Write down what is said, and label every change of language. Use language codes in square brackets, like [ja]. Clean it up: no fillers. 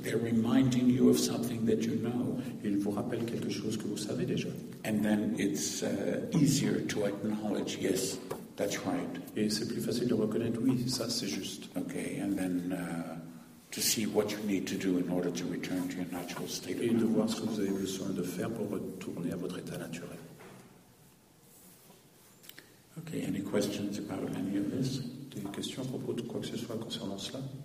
[en] They're reminding you of something that you know. [fr] Ils vous rappellent quelque chose que vous savez déjà. [en] And then it's easier to acknowledge, yes. That's right. [fr] Et c'est plus facile de reconnaître oui, ça c'est juste. [en] Okay, and then to see what you need to do in order to return to your natural state. [fr] Et de voir ce que vous avez besoin de faire pour retourner à votre état naturel. [en] Okay, any questions about any of this? [fr] Des questions à propos de quoi que ce soit concernant cela?